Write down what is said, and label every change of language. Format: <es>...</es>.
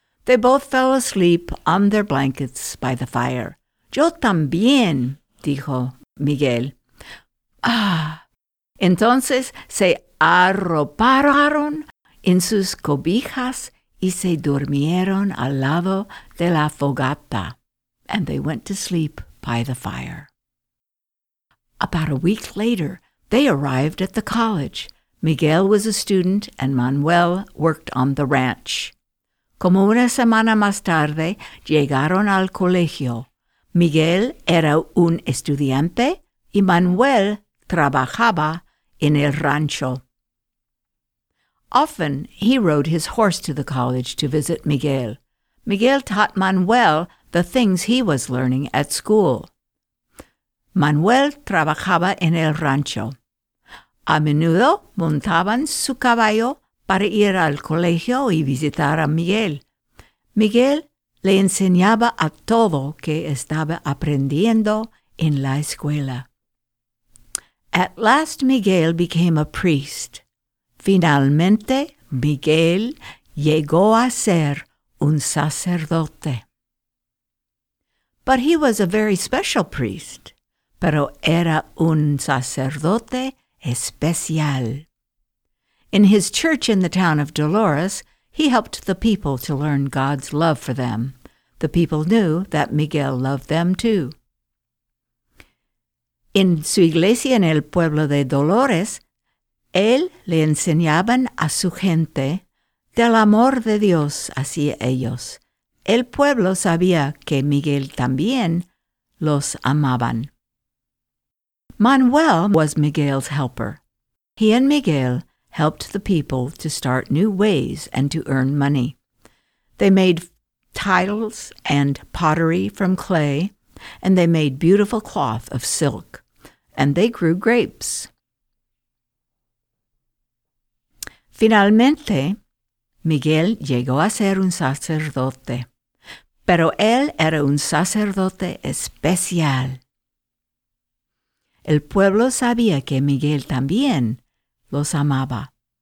<en>They both fell asleep on their blankets by the fire.</en> <es>"Yo también," dijo Miguel. "Ah." Entonces se arroparon en sus cobijas y se durmieron al lado de la fogata.</es> <en>And they went to sleep by the fire. About a week later, they arrived at the college. Miguel was a student and Manuel worked on the ranch.</en> <es>Como una semana más tarde, llegaron al colegio. Miguel era un estudiante y Manuel trabajaba en el rancho.</es> <en>Often, he rode his horse to the college to visit Miguel. Miguel taught Manuel the things he was learning at school.</en> <es>Manuel trabajaba en el rancho. A menudo montaban su caballo para ir al colegio y visitar a Miguel. Miguel le enseñaba a todo que estaba aprendiendo en la escuela.</es> <en>At last, Miguel became a priest.</en> <es>Finalmente, Miguel llegó a ser un sacerdote.</es> <en>But he was a very special priest.</en> <es>Pero era un sacerdote especial.</es> <en>In his church in the town of Dolores, he helped the people to learn God's love for them. The people knew that Miguel loved them too.</en> <es>En su iglesia en el pueblo de Dolores, él le enseñaban a su gente del amor de Dios hacia ellos. El pueblo sabía que Miguel también los amaban.</es> <en>Manuel was Miguel's helper. He and Miguel helped the people to start new ways and to earn money. They made tiles and pottery from clay, and they made beautiful cloth of silk, and they grew grapes.</en> <es>Finalmente, Miguel llegó a ser un sacerdote, pero él era un sacerdote especial. El pueblo sabía que Miguel también los amaba.</es>